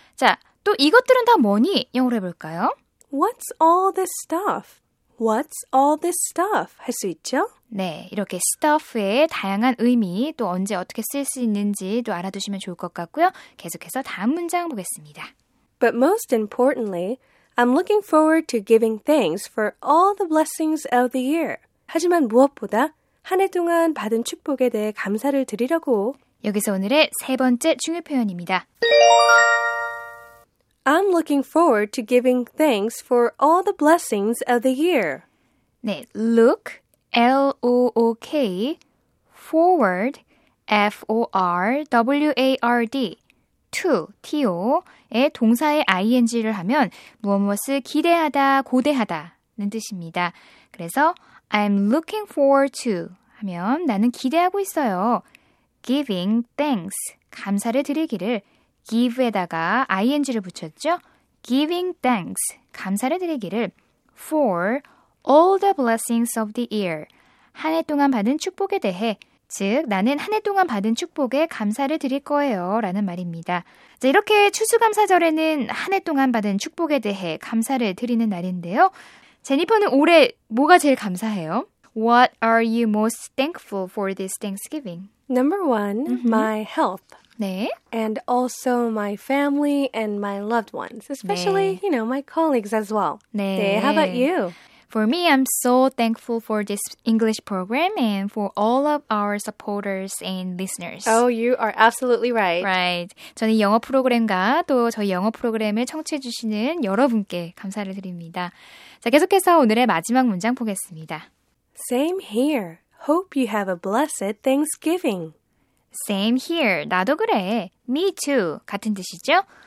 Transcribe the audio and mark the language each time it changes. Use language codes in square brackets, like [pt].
[ko] 자, 또 이것들은 다 뭐니? 영어로 해볼까요? [en] What's all this stuff? What's all this stuff? [ko] 할 수 있죠? 네, 이렇게 stuff의 다양한 의미, 또 언제 어떻게 쓸 수 있는지도 알아두시면 좋을 것 같고요. 계속해서 다음 문장 보겠습니다. [en] But most importantly, I'm looking forward to giving thanks for all the blessings of the year. [ko] 하지만 무엇보다 한 해 동안 받은 축복에 대해 감사를 드리려고. 여기서 오늘의 세 번째 중요 표현입니다. [en] I'm looking forward to giving thanks for all the blessings of the year. [ko] 네, look, L-O-O-K, forward, F-O-R-W-A-R-D, to, T-O의 동사의 ing를 하면 무엇무엇을 기대하다, 고대하다는 뜻입니다. 그래서 [en] I'm looking forward to [ko] 하면 나는 기대하고 있어요. [en] Giving thanks, [ko] 감사를 드리기를. give에다가 ing를 붙였죠. [en] giving thanks, [ko] 감사를 드리기를 [en] for all the blessings of the year. [ko] 한 해 동안 받은 축복에 대해, 즉 나는 한 해 동안 받은 축복에 감사를 드릴 거예요 라는 말입니다. 자, 이렇게 추수감사절에는 한 해 동안 받은 축복에 대해 감사를 드리는 날인데요. 제니퍼는 올해 뭐가 제일 감사해요? [en] What are you most thankful for this Thanksgiving? Number one, my health. 네. And also my family and my loved ones, especially, 네. you know, my colleagues as well. 네. 네, how about you? For me, I'm so thankful for this English program and for all of our supporters and listeners. Oh, you are absolutely right. Right. [ko] 저는 영어 프로그램과 또 저희 영어 프로그램을 청취해 주시는 여러분께 감사를 드립니다. 자, 계속해서 오늘의 마지막 문장 보겠습니다. [en] Same here. Hope you have a blessed Thanksgiving. Same here. [ko] 나도 그래. [en] Me too. [ko] 같은 뜻이죠?